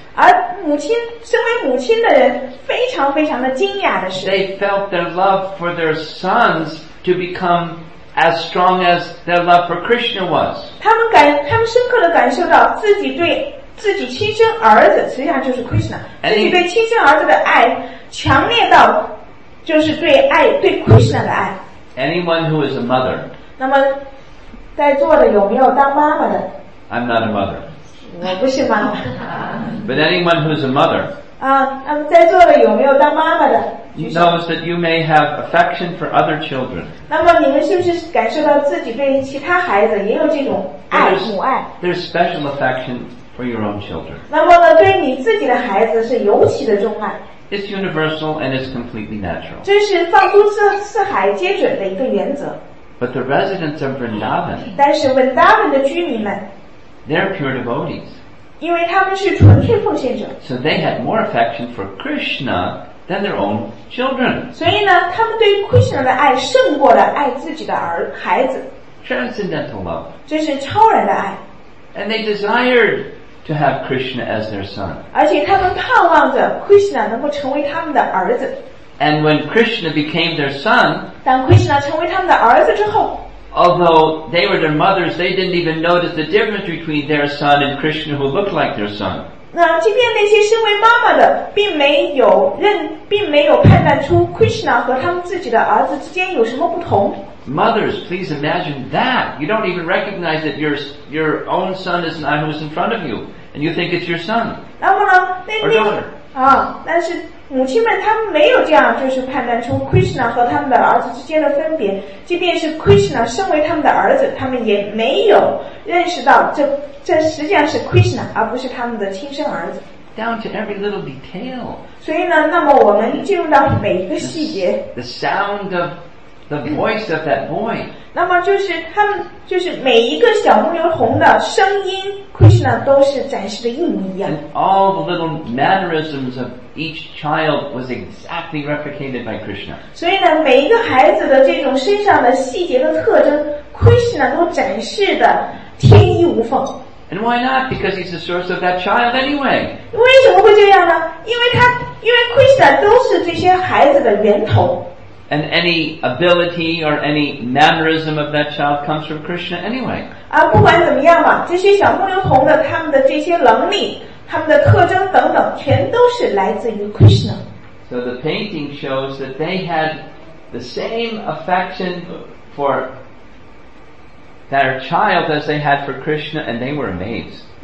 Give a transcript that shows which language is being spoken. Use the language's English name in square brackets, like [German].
[Chinese] 而母亲，身为母亲的人非常非常的惊讶的是 [English] ，They felt their love for their sons to become as strong as their love for Krishna was. [Chinese] 他们深刻的感受到自己对自己亲生儿子，实际上就是 Krishna， 自己对亲生儿子的爱强烈到就是对 Krishna 的爱。 [English] Anyone who is a mother， [Chinese] 那么在座的有没有当妈妈的 [English] ？I'm not a mother， [Chinese] 我不是妈妈。 [English] But anyone who is a mother， [Chinese] 那么在座的有没有当妈妈的 [English] ？Knows that you may have affection for other children。 [Chinese] 那么你们是不是感受到自己对其他孩子也有这种爱母爱 [English] ？There's special affection。 For your own children. [Chinese] 那么呢，对你自己的孩子是尤其的钟爱。 [English] It's universal and it's completely natural. [Chinese] 这是放诸四海皆准的一个原则。 [English] But the residents of Vrindavan. [Chinese] 但是 Vrindavan 的居民们。 [English] They're pure devotees. [Chinese] 因为他们是纯粹奉献者。 [English] So they had more affection for Krishna than their own children. [Chinese] 所以呢，他们对 Krishna 的爱胜过了爱自己的孩子。 [English] Transcendental love. [Chinese] 这是超然的爱。 [English] And they desired to have Krishna as their son. [Chinese] 而且他们盼望着 Krishna 能够成为他们的儿子。 [English] And when Krishna became their son, [Chinese] 当 Krishna 成为他们的儿子之后， [English] although they were their mothers, they didn't even notice the difference between their son and Krishna who looked like their son. [Chinese] 那即便那些身为妈妈的，并没有判断出 Krishna 和他们自己的儿子之间有什么不同。 [English] Mothers, please imagine that. You don't even recognize that your own son is not who's in front of you, and you think it's your son. [Chinese] 那么呢，那那啊，但是母亲们他们没有这样就是判断出 Krishna 和他们的儿子之间的分别，即便是 Krishna 身为他们的儿子，他们也没有认识到 这实际上是 Krishna 而不是他们的亲生儿子。 [English] Down to every little detail. [Chinese] 所以呢，那么我们进入到每一个细节。 [English] The sound of the voice of that boy. [Chinese] 那么就是他们就是每一个小牧牛红的声音 ，Krishna 都是展示的一模一样。 [English] And all the little mannerisms of each child was exactly replicated by Krishna. [Chinese] 所以呢，每一个孩子的这种身上的细节的特征 ，Krishna 都展示的天衣无缝。 [English] And why not? Because he's the source of that child anyway. [Chinese] 为什么会这样呢？因为 Krishna 都是这些孩子的源头。 [English] And any ability or any mannerism of that child comes from Krishna anyway. [Chinese] 啊，不管怎么样吧，这些小牧牛童的他们的这些能力、他们的特征等等，全都是来自于 Krishna. [English] So the painting shows that they had the same affection for. Their child as they had for Krishna and they were amazed.